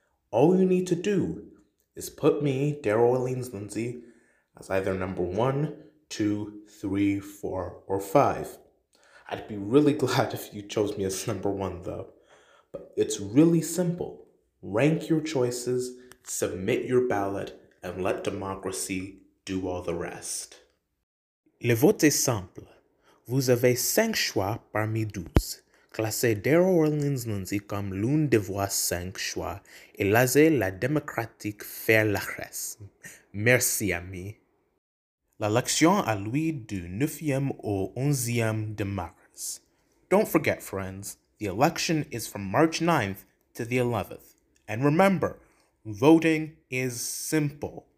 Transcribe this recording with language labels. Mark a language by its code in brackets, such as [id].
[en] All you need to do is put me, Daryl Orleans Lindsay, as either number 1, 2, 3, 4, or 5. I'd be really glad if you chose me as number 1, though. But it's really simple. Rank your choices, submit your ballot, and let democracy do all the rest. [fr] Le vote est simple. Vous avez 5 choix parmi 12. Classez Daryl Orleans Lindsay comme l'une de vos 5 choix et laissez la démocratique faire le reste. Merci, ami. L'élection a lieu du 9e au 11e de mars. [en] Don't forget, friends. The election is from March 9th to the 11th. And remember, voting is simple.